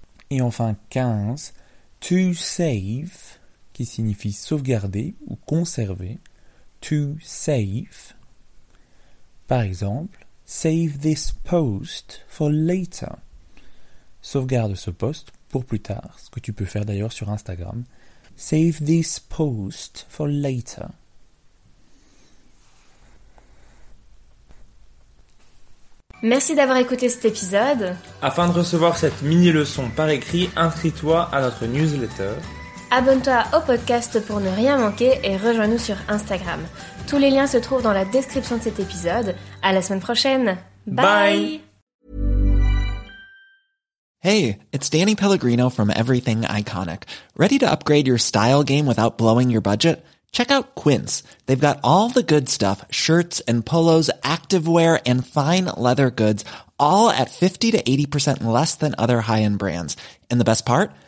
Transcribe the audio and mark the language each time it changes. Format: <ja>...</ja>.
<fr>Et enfin 15,</fr> <en>to save,</en> <fr>qui signifie sauvegarder ou conserver.</fr> <en>To save.</en> <fr>Par exemple,</fr> <en>save this post for later.</en> <fr>Sauvegarde ce post pour plus tard, ce que tu peux faire d'ailleurs sur Instagram.</fr> <en>Save this post for later.</en> <fr>Merci d'avoir écouté cet épisode. Afin de recevoir cette mini-leçon par écrit, inscris-toi à notre newsletter. Abonne-toi au podcast pour ne rien manquer et rejoins-nous sur Instagram. Tous les liens se trouvent dans la description de cet épisode. À la semaine prochaine. Bye! Bye.</fr> <en>Hey, it's Danny Pellegrino from Everything Iconic. Ready to upgrade your style game without blowing your budget? Check out Quince. They've got all the good stuff, shirts and polos, activewear and fine leather goods, all at 50 to 80% less than other high-end brands. And the best part?</en>